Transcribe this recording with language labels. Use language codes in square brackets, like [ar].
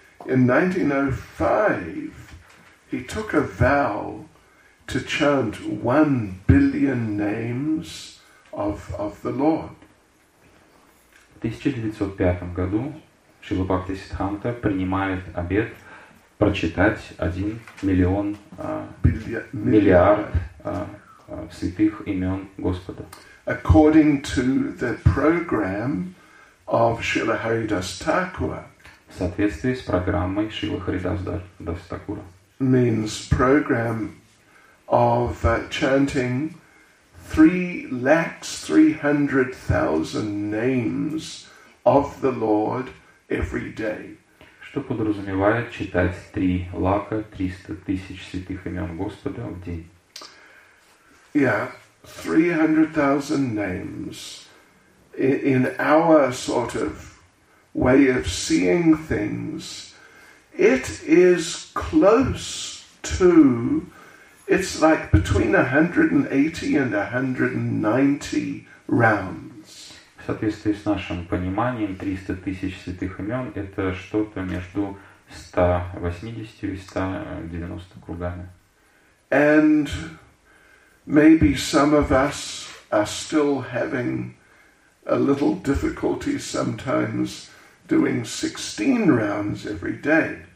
[en] In 1905, he took a vow to chant 1 billion names of the Lord. [ru] В 1905 году Шрила Бхакти Сиддханта принимает обет прочитать 1 миллион, миллиард святых имен Господа. [en] According to the program of Srila Haridas Thakura. [ru] В соответствии с программой Шрила Харидас Дас Такура. [en] Means program of chanting 3,300,000 names of the Lord every day. [ru] Что подразумевает читать 3,300,000 святых имен Господа в день? [en] Yeah, 300,000 names. In our sort of way of seeing things, it is close to, it's like between 180 and 190 rounds. [ru] В соответствии с нашим пониманием, 300,000 святых имен – это что-то между 180 и 190 кругами. [en] And maybe some of us are still having a little difficulty sometimes doing 16 rounds every day.